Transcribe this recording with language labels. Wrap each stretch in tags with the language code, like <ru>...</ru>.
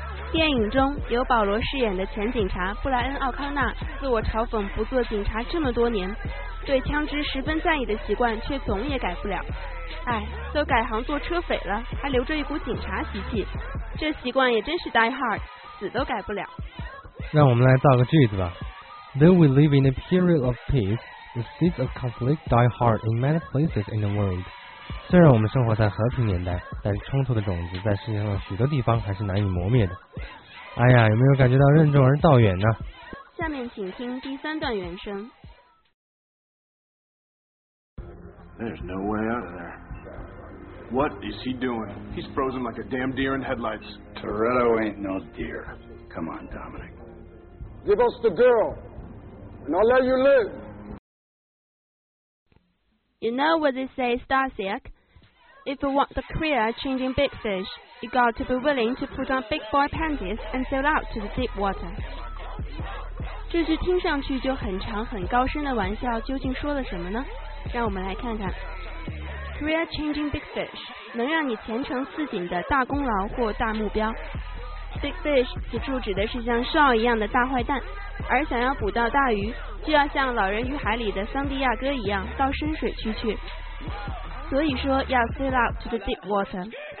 <zh>电影中由保罗饰演的前警察布莱恩·奥康纳自我嘲讽不做警察这么多年，对枪支十分在意的习惯却总也改不了，哎，都改行做车匪了还留着一股警察习气，这习惯也真是 die hard， 死都改不了。让我们来造个句子吧。</zh> <en>Though we live in a period of peace, the seeds of conflict die hard in many places in the world。</en> <zh>虽然我们生活在和平年代，但冲突的种子在世界上许多地方还是难以磨灭的。哎呀，有没有感觉到任重而道远呢？下面请听第三段原声。</zh> <en>There's no way out of there. What is he doing? He's frozen like a damn deer in headlights. Toretto ain't no deer. Come on, Dominic. Give us the girl and I'll let you live You know what they say, Stasiak? If you want the career changing big fish, you got to be willing to put on big boy panties and sail out to the deep water.</en> <zh>这句听上去就很长很高深的玩笑究竟说了什么呢？让我们来看看。</zh> <en>Career changing big fish,</en> <zh>能让你前程似锦的大功劳或大目标。 Big fish 此处指的是像 Shaw 一样的大坏蛋，而想要捕到大鱼，就要像《老人与海》里的桑迪亚哥一样到深水区去，所以说要</zh> <en>sail out to the deep water。</en>